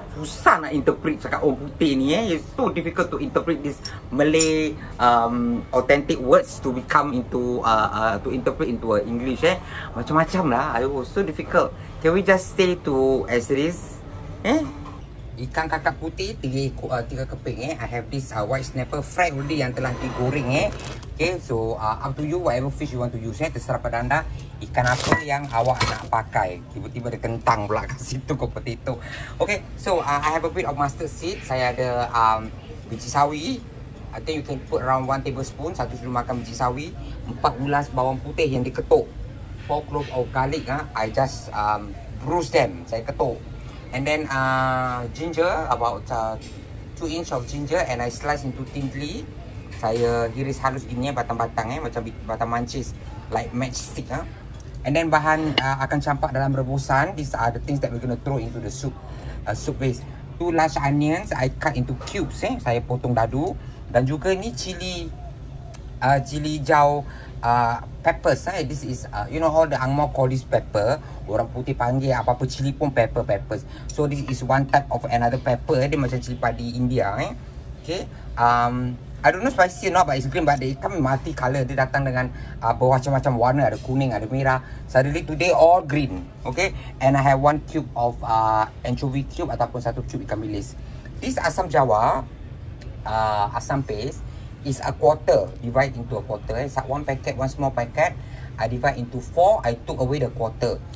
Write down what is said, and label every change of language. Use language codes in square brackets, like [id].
[ms] Susah nak interpret cakap orang putih ni eh. [en] It's so difficult to interpret this Malay authentic words to become into to interpret into English eh. [ms] Macam-macam lah. [en] Ayuh, so difficult. Can we just stay to as it is? Eh? [ms] Ikan kakap putih 3 keping eh. [en] I have this white snapper fried already [ms] yang telah digoreng eh. [en] Okay, so up to you whatever fish you want to use eh. [ms] Terserah pada anda. Ikan apa yang awak nak pakai. Tiba-tiba ada kentang pula kat situ, kot potato. [en] Okay, so I have a bit of mustard seed. [ms] Saya ada biji sawi. [en] I think you can put around 1 tablespoon. [ms] 1 sudu makan biji sawi. 4 ulas bawang putih yang diketuk. [en] 4 cloves of garlic. I just bruise them. [ms] Saya ketuk. [en] And then ginger, about 2 inch of ginger. And I slice into thinly. [ms] Saya hiris halus gini, batang-batang eh. Macam batang mancis. [en] Like matchstick [ms] lah. [en] And then [ms] bahan akan campak dalam rebusan. [en] These are the things that we're going to throw into the soup. Soup base. 2 large onions I cut into cubes eh. [ms] Saya potong dadu. Dan juga ni chili. Chili jauh. Peppers eh. [en] This is you know all the Angmoh call this pepper. [ms] Orang putih panggil apa-apa chili pun peppers. [en] So this is one type of another pepper eh. [ms] Dia macam chili padi India eh. [en] Okay. I don't know spicy or not, but it's green, but they come multi color. [ms] Dia datang dengan bermacam-macam warna, ada kuning, ada merah. [en] Suddenly today all green, okay? And I have 1 cube of anchovy cube [ms] ataupun 1 cube ikan bilis. [en] This asam jawa, asam paste, is a quarter, divide into a quarter. It's like one packet, one small packet. I divide into 4, I took away the quarter.